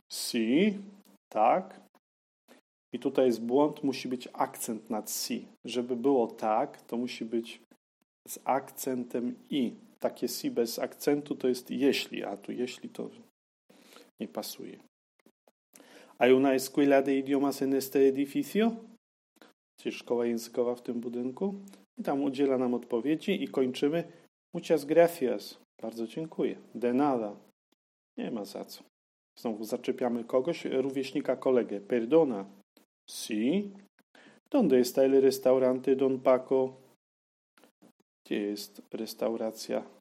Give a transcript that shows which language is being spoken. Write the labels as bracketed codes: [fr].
[pl] Si, tak. I tutaj jest błąd, musi być akcent nad si. Żeby było tak, to musi być z akcentem i. Takie si bez akcentu to jest jeśli, a tu jeśli to nie pasuje. [es] ¿Hay una escuela de idiomas en este edificio? [pl] Czy szkoła językowa w tym budynku? I tam udziela nam odpowiedzi i kończymy. [es] Muchas gracias. [pl] Bardzo dziękuję. [es] De nada. [pl] Nie ma za co. Znowu zaczepiamy kogoś, rówieśnika, kolegę. Perdona. Si. [es] Donde está el restaurante Don Paco? [pl] Gdzie jest restauracja?